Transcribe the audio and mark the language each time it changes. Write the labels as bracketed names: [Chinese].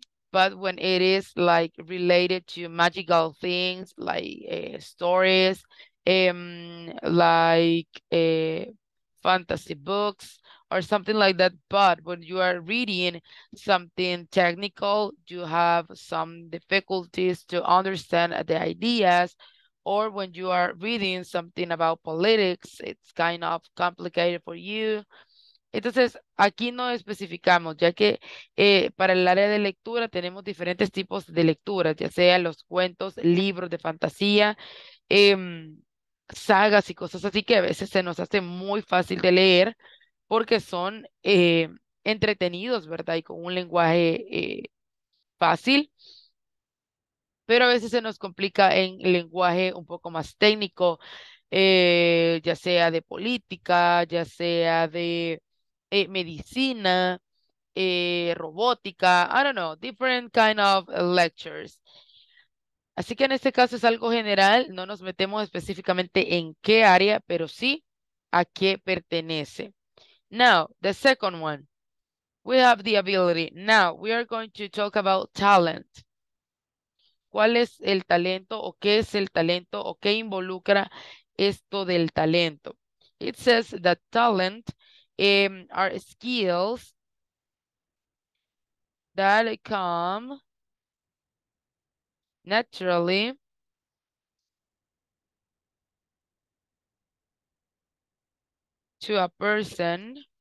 [English] But when it is like related to magical things, like stories, like fantasy books or something like that. But when you are reading something technical, you have some difficulties to understand the ideas. Or when you are reading something about politics, it's kind of complicated for you. [Spanish] Entonces, aquí no especificamos, ya que para el área de lectura tenemos diferentes tipos de lecturas, ya sea los cuentos, libros de fantasía, sagas y cosas así que a veces se nos hace muy fácil de leer porque son entretenidos, ¿verdad? Y con un lenguaje fácil. Pero a veces se nos complica en lenguaje un poco más técnico, ya sea de política, ya sea de medicina, robótica, [English] I don't know, different kind of lectures. [Spanish] Así que en este caso es algo general, no nos metemos específicamente en qué área, pero sí a qué pertenece. [English] Now, the second one. We have the ability. Now, we are going to talk about talent. [Spanish] ¿Cuál es el talento o qué es el talento o qué involucra esto del talento? [English] It says that talent are skills that come naturally to a person